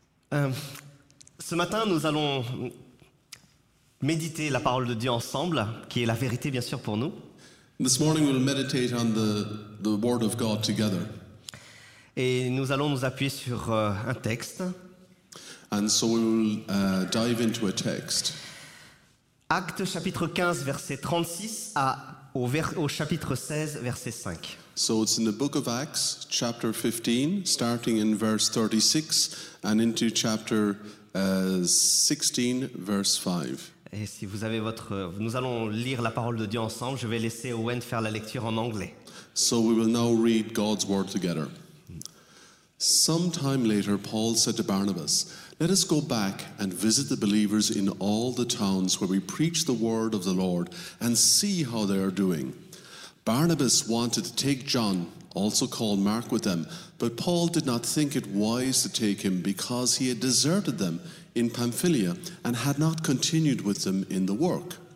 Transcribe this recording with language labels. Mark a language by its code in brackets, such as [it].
[fr] Ce matin, nous allons méditer la parole de Dieu ensemble, qui est la vérité, bien sûr, pour nous. [en] This morning, we'll meditate on the Word of God together. [fr] Et nous allons nous appuyer sur un texte. [en] And so we'll dive into a text. [fr] Actes, chapitre 15, verset 36, au chapitre 16, verset 5. [en] So it's in the book of Acts, chapter 15, starting in verse 36, and into chapter 16, verse 5. [fr] Et si vous avez nous allons lire la parole de Dieu ensemble. Je vais laisser Owen faire la lecture en anglais. [en] So we will now read God's word together. Some time later, Paul said to Barnabas, "Let us go back and visit the believers in all the towns where we preach the word of the Lord and see how they are doing." Barnabas wanted to take John, also called Mark, with them, but Paul did not think it wise to take him because he had deserted them in Pamphylia and had not continued with them in the work.